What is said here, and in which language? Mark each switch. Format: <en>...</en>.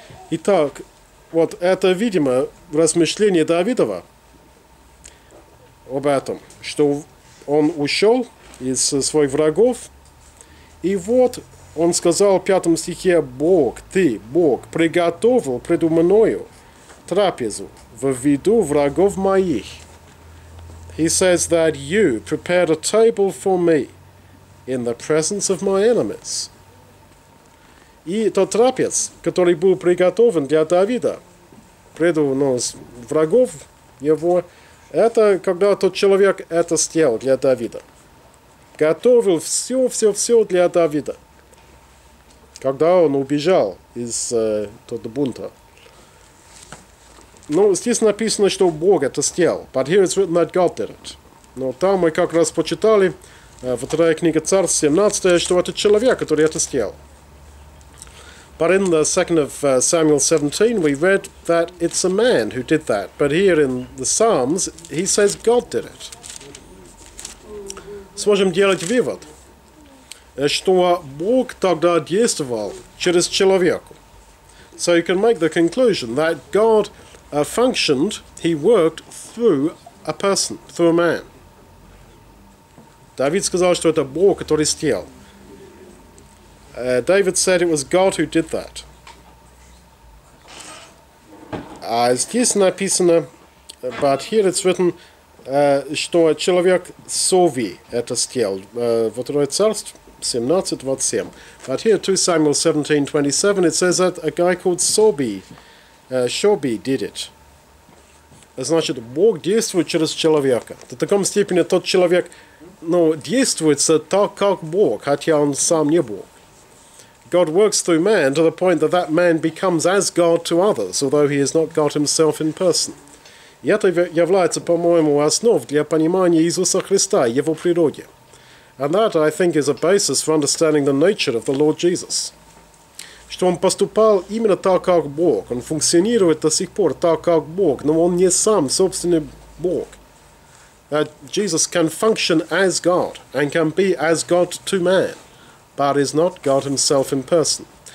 <ru>Итак, вот это, видимо, размышление Давидова об этом, что он ушел из своих врагов, и вот он сказал в пятом стихе: «Бог, ты, Бог, приготовил предо мною трапезу в виду врагов моих».</ru> <en>He says that you prepared a table for me in the presence of my enemies.</en> <ru>И тот трапез, который был приготовлен для Давида, врагов его, это когда тот человек это сделал для Давида. Готовил все для Давида. Когда он убежал из тот бунта. Ну, здесь написано, что Бог это сделал.</ru> <en>But here it's written that God did it.</en> <ru>Но там мы как раз почитали во второй книге Царств 17, что это человек, который это сделал.</ru> <en>But in the second of Samuel 17, we read that it's a man who did that. But here in the Psalms, he says God did it.</en> <ru>Сможем делать вывод, что Бог тогда действовал через человека.</ru> <en>So you can make the conclusion that God functioned, he worked through a person, through a man.</en> <ru>Давид сказал, что это Бог, который сделал.</ru> <en>David said it was God who did that.</en> <ru>Здесь написано,</ru> <en>but here it's written,</en> <ru>что человек Сови это сделал. Во второе царство 17:27.</ru> <en>But here, 2 Samuel 17:27, it says that a guy called Shobi did it.</en> <ru>Значит, Бог действует через человека. В таком степени тот человек, ну, действует так, как Бог, хотя он сам не Бог.</ru> <en>God works through man to the point that that man becomes as God to others, although he is not God himself in person.</en> <ru>И это является, по-моему, основой для понимания Иисуса Христа, его природы.</ru> <en>And that, I think, is a basis for understanding the nature of the Lord Jesus.</en> <ru>Что он поступал именно так, как Бог. Он функционирует до сих пор так, как Бог, но он не сам собственный Бог.</ru> <en>That Jesus can function as God and can be as God to man, but is not God himself in person.</en>